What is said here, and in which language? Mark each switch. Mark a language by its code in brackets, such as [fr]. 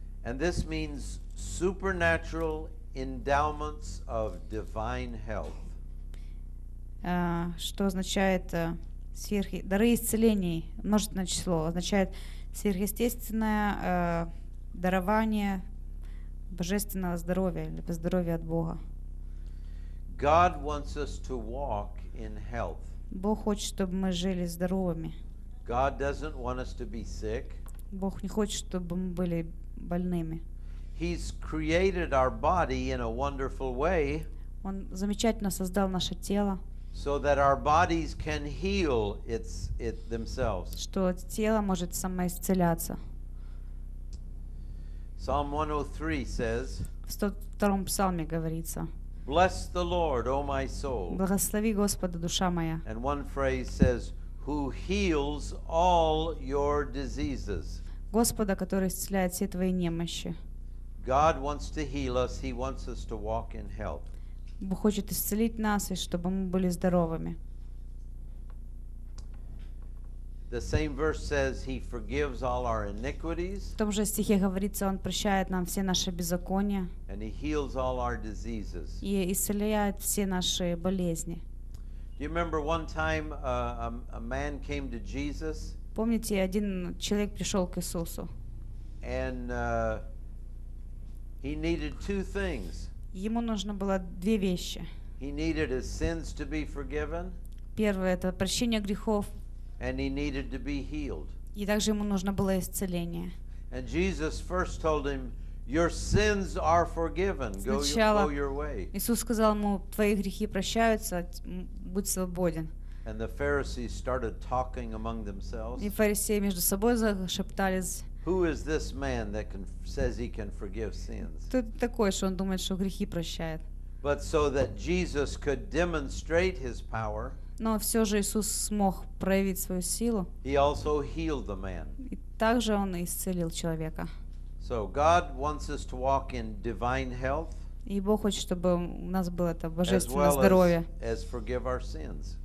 [en] And this means supernatural endowments of divine health. [ru] Что означает дары исцелений, множественное число, означает сверхъестественное дарование божественного здоровья или здоровья от Бога. [en] God wants us to walk in health. [ru] Бог хочет, чтобы мы жили здоровыми. [en] God doesn't want us to be sick. [ru] Бог не хочет, чтобы мы были больными. [en] He's created our body in a wonderful way. [ru] Он замечательно создал наше тело. [en] So that our bodies can heal it themselves. [ru] Что тело может самоисцеляться. [en] Psalm 103 says. [ru] В 102-м псалме говорится. [en] Bless the Lord, O my soul. [ru] Благослови Господа, душа моя. [en] And one phrase says, who heals all your diseases. [ru] Господа, который исцеляет все твои немощи. [en] God wants to heal us. He wants us to walk in health. [ru] Бог хочет исцелить нас и чтобы мы были здоровыми. [en] The same verse says he forgives all our iniquities. [ru] В том же стихе говорится, он прощает нам все наши беззакония. [en] And he heals all our diseases. [ru] И исцеляет все наши болезни. [en] Do you remember one time a man came to Jesus? [ru] Помните, один человек пришел к Иисусу. [en] And he needed two things. [ru] Ему нужно было две вещи. [en] He needed his sins to be forgiven. [ru] Первое это прощение грехов. [en] And he needed to be healed. [ru] И также ему нужно было исцеление. [en] And Jesus first told him, "Your sins are forgiven. [ru] Сначала [en] go your way." [ru] Иисус сказал ему, твои грехи прощаются, будь свободен. [en] And the Pharisees started talking among themselves. [ru] И фарисеи между собой зашептались. [en] Who is this man that says he can forgive sins? [ru] Кто такой, что он думает, что грехи прощает? [en] But so that Jesus could demonstrate his power. [ru] Но все же Иисус смог проявить свою силу. [en] He also healed the man. [ru] И также он исцелил человека. [en] So God wants us to walk in divine health. [ru] И Бог хочет, чтобы у нас было это божественное здоровье. [en] As forgive our sins.